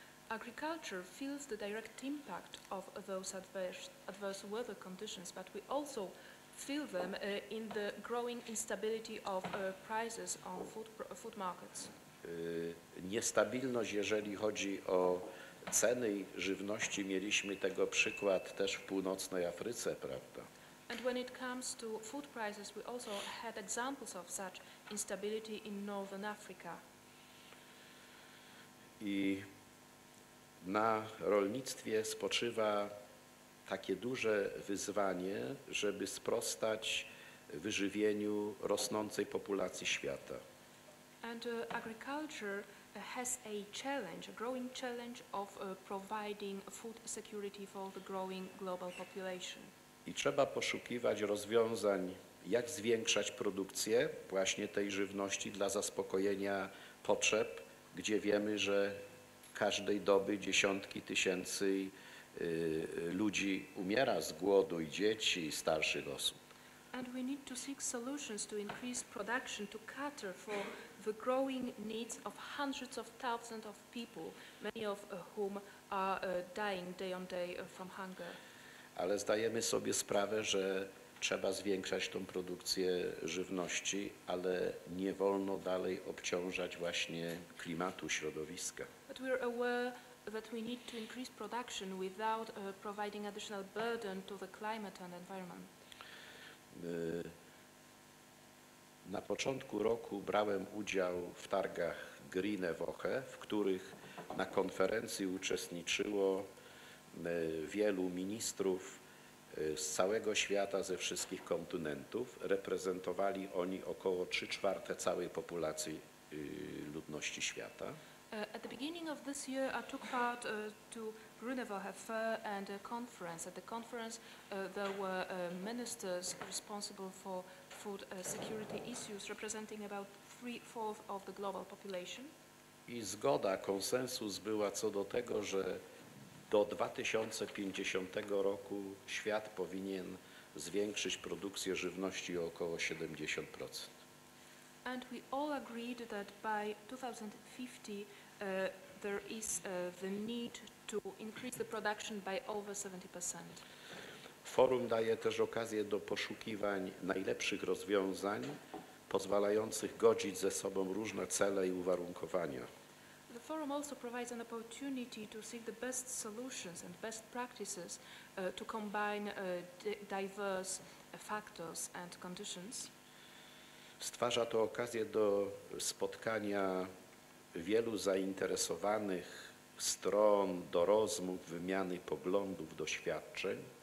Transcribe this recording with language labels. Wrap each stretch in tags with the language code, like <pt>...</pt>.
<en>Agriculture feels the direct impact of those adverse weather conditions, but we also feel them in the growing instability of prices on food markets.</en> <pl>Niestabilność, jeżeli chodzi o ceny żywności, mieliśmy tego przykład też w północnej Afryce, prawda?</pl> <en>And when it comes to food prices, we also had examples of such instability in northern Africa.</en> <pl>I na rolnictwie spoczywa takie duże wyzwanie, żeby sprostać wyżywieniu rosnącej populacji świata.</pl> <en>And agriculture has a challenge, a growing challenge of providing food security for the growing global population.</en> <pl>I trzeba poszukiwać rozwiązań, jak zwiększać produkcję właśnie tej żywności dla zaspokojenia potrzeb, gdzie wiemy, że każdej doby dziesiątki tysięcy ludzi umiera z głodu, i dzieci, i starszych osób.</pl> <en>And we need to seek solutions to increase production, to cater for the growing needs of hundreds of thousands of people, many of whom are dying day on day from hunger.</en> <pl>Ale zdajemy sobie sprawę, że trzeba zwiększać tą produkcję żywności, ale nie wolno dalej obciążać właśnie klimatu, środowiska.</pl> <en>But we are aware that we need to increase production without providing additional burden to the climate and environment.</en> <pl>Na początku roku brałem udział w targach Green Evoche, w których na konferencji uczestniczyło wielu ministrów z całego świata, ze wszystkich kontynentów. Reprezentowali oni około 3/4 całej populacji ludności świata.</pl> <en>At the beginning of this year, I took part to Grunewald Fair and a conference. At the conference, there were ministers responsible for food security issues, representing about 3/4 of the global population.</en> <pl>I zgoda, konsensus była co do tego, że do 2050 roku świat powinien zwiększyć produkcję żywności o około 70%.</pl> <en>And we all agreed that by 2050 there is the need to increase the production by over 70%.</en> <pl>Forum daje też okazję do poszukiwań najlepszych rozwiązań pozwalających godzić ze sobą różne cele i uwarunkowania.</pl> <en>The forum also provides an opportunity to seek the best solutions and best practices to combine diverse factors and conditions.</en> <pl>Stwarza to okazję do spotkania wielu zainteresowanych stron, do rozmów, wymiany poglądów, doświadczeń.</pl>